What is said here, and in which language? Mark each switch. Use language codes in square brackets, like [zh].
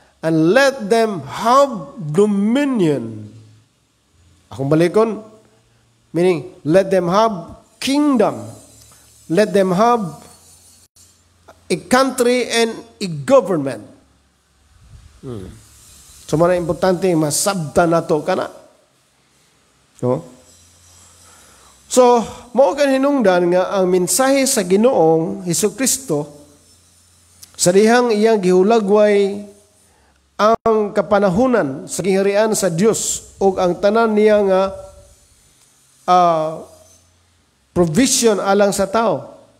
[en] And let them have dominion. [ceb] Akong balikon, [en] meaning, let them have kingdom. Let them have a country and a government. [ceb] So, mga importante, masabta na ito ka na. So, mao kang hinungdan nga ang mensahe sa Ginoong Hesukristo sa dihang iyang gihulagway ang kapanahunan sa gingharian sa Dios o ang tanan niya nga provision alang sa tao.